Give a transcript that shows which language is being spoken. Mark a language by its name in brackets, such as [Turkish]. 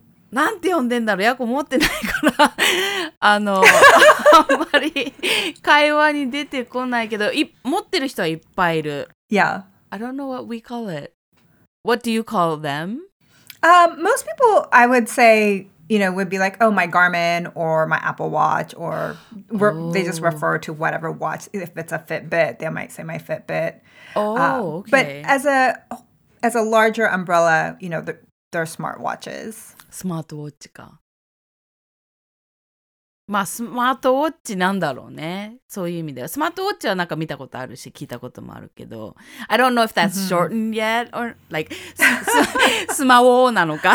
[Japanese] なんて呼んでんだろうやこ持ってないからあんまり会話に出てこないけどい持ってる人はいっぱいいる [English] Yeah I don't know what we call it What do you call them? Most people I would say You know would be like Oh my Garmin or my Apple Watch Or they just refer to whatever watch If it's a Fitbit they might say my Fitbit Okay But as a larger umbrella You know they're smart watches [Japanese] スマートウォッチか。まあ、スマートウォッチなんだろうね。そういう意味では。スマートウォッチはなんか見たことあるし、聞いたこともあるけど。 [English] I don't know if that's shortened yet, or like, [Japanese] スマウォーなのか。